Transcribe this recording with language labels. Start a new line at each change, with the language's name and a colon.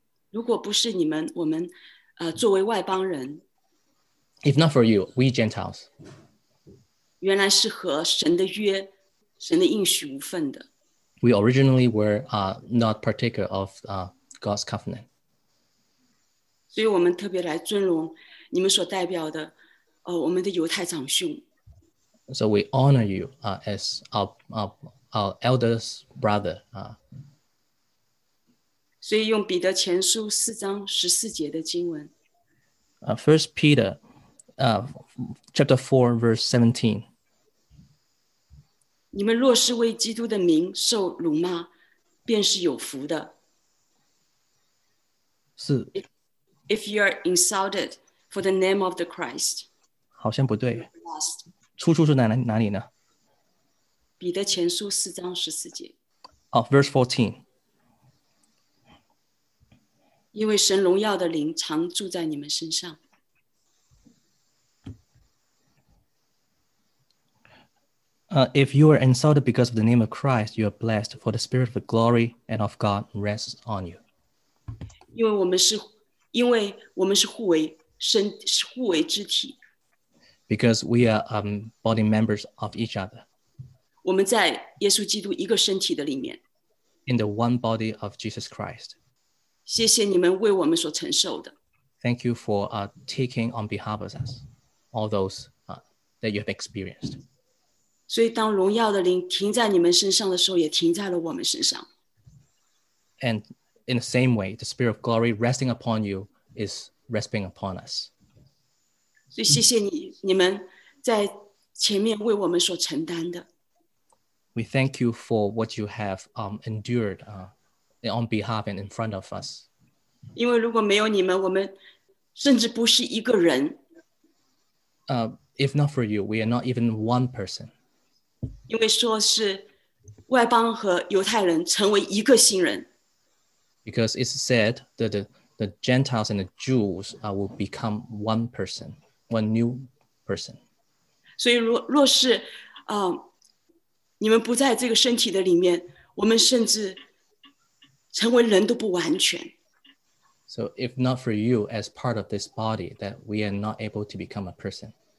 Chinese: 如果不是你们，我们作为外邦人。
English: If not for you, we Gentiles.
Chinese: 原来是和神的约，神的应许无份的。
English: We originally were not partaker of God's covenant.
Chinese: 所以我们特别来尊荣你们所代表的我们的犹太长兄。
English: So we honor you as our elder's brother.
Chinese: 所以用彼得前书四章十四节的经文。
English: First Peter, chapter 4, verse 17.
Chinese: 你们若是为基督的名受辱骂，便是有福的。是。
English: If you are insulted for the name of the Christ,
Chinese: 好像不对。出处是哪里呢？彼得前书四章十四节。
English: Verse 14.
Chinese: 因为神荣耀的灵常住在你们身上。
English: If you are insulted because of the name of Christ, you are blessed, for the spirit of the glory and of God rests on you.
Chinese: 因为我们是互为肢体。
English: Because we are body members of each other.
Chinese: 我们在耶稣基督一个身体的里面。
English: In the one body of Jesus Christ.
Chinese: 谢谢你们为我们所承受的。
English: Thank you for taking on behalf of us, all those that you have experienced.
Chinese: 所以当荣耀的灵停在你们身上的时候也停在了我们身上。
English: And in the same way, the spirit of glory resting upon you is resting upon us.
Chinese: 所以谢谢你们在前面为我们所承担的。
English: We thank you for what you have endured on behalf and in front of us.
Chinese: 因为如果没有你们，我们甚至不是一个人。
English: If not for you, we are not even one person.
Chinese: 因为说是外邦和犹太人成为一个新人。
English: Because it's said that the Gentiles and the Jews will become one person, one new person.
Chinese: 所以若是你们不在这个身体的里面，我们甚至成为人都不完全。
English: So if not for you as part of this body, that we are not able to become a person.